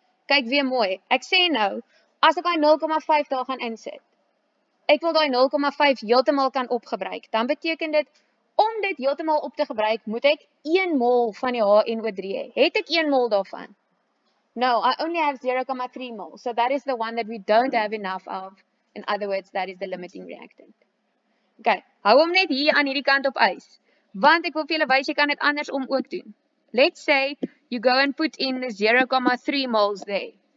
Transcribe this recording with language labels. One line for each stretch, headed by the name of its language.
Afrikaans: Kyk weer mooi. Ek sê nou, as ek 0.5 daar gaan insit, ek wil daai 0.5 heeltemal kan opgebruik, dan beteken dit, om dit heeltemal op te gebruik, moet ek 1 mol van die HNO3 hê. Het ek 1 mol daarvan?
English: No, I only have 0.3 mol. So that is the one that we don't have enough of. In other words, that is the limiting reactant.
Afrikaans: Okay, hou hom net hier aan hierdie kant op ys. Want ek wil vir julle wys, jy kan dit andersom ook doen.
English: Let's say you go and put in the 0.3 moles there.